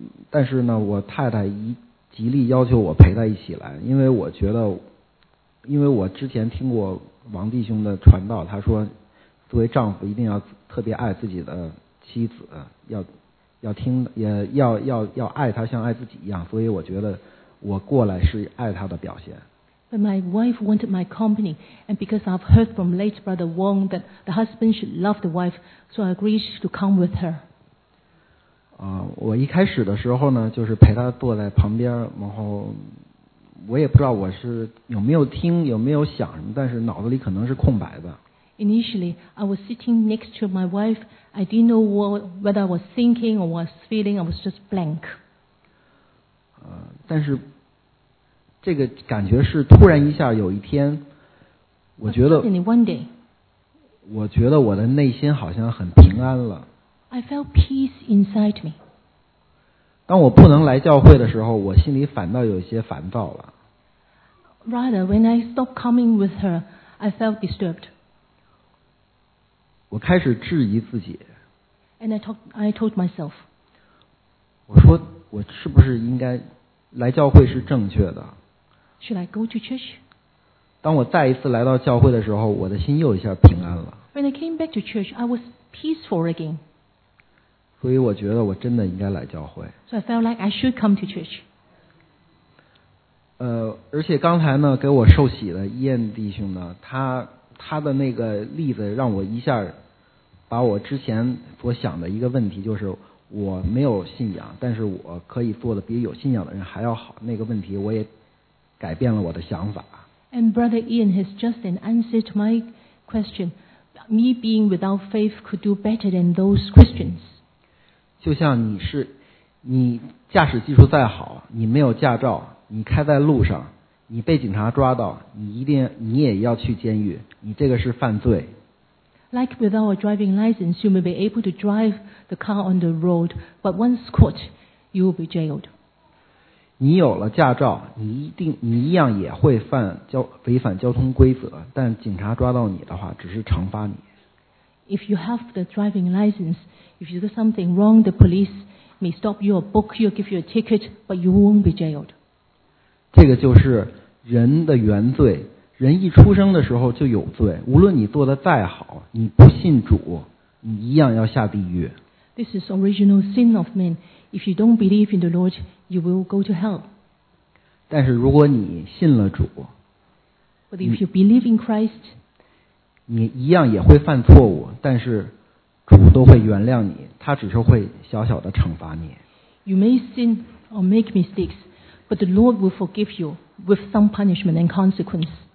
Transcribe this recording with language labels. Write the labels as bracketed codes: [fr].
[zh] 但是呢，我太太极力要求我陪她一起来，因为我觉得，因为我之前听过王弟兄的传道，他说，作为丈夫一定要特别爱自己的妻子，要听，也要爱她像爱自己一样，所以我觉得我过来是爱她的表现。 [en] But my wife wanted my company, and because I've heard from late brother Wong that the husband should love the wife, so I agreed to come with her. [zh] 我一开始的时候呢，就是陪她坐在旁边，然后我也不知道我是有没有听，有没有想什么，但是脑子里可能是空白的。 [en] Initially, I was sitting next to my wife. I didn't know whether I was thinking or was feeling. I was just blank. [zh] 但是。这个感觉是突然一下有一天，我觉得，我觉得我的内心好像很平安了。 [en] I felt peace inside me. [zh] 当我不能来教会的时候，我心里反倒有些烦躁了。 [en] Rather, when I stopped coming with her, I felt disturbed. [zh] 我开始质疑自己。 [en] And I told myself. [zh] 我说我是不是应该来教会是正确的？ [en] Should I go to church? [zh] 当我再一次来到教会的时候，我的心又一下平安了。 [en] When I came back to church, I was peaceful again. [zh] 所以我觉得我真的应该来教会。 [en] So I felt like I should come to church. [zh] 而且刚才呢，给我受洗的Ian弟兄呢，他的那个例子让我一下把我之前所想的一个问题，就是我没有信仰，但是我可以做的比有信仰的人还要好。那个问题我也。改变了我的想法。 [en] And Brother Ian has just an answer to my question. Me being without faith could do better than those Christians. [zh] 就像你驾驶技术再好，你没有驾照，你开在路上，你被警察抓到，你也要去监狱，你这个是犯罪。 [en] Like without a driving license, you may be able to drive the car on the road, but once caught, you will be jailed. [zh] 你有了驾照，你一样也会违反交通规则，但警察抓到你的话，只是惩罚你。 [en] If you have the driving license, if you do something wrong, the police may stop you or book you, give you a ticket, but you won't be jailed. [zh] 这个就是人的原罪，人一出生的时候就有罪，无论你做得再好，你不信主，你一样要下地狱。 [en] This is original sin of man. If you don't believe in the Lord,You will go to hell. [zh] 但是如果你信了主， [en] But if you believe in Christ, [zh] 你一样也会犯错误，但是主都会原谅你，他只是会小小的惩罚你。 [en] You may sin or make mistakes, but the Lord will forgive you with some punishment and consequence.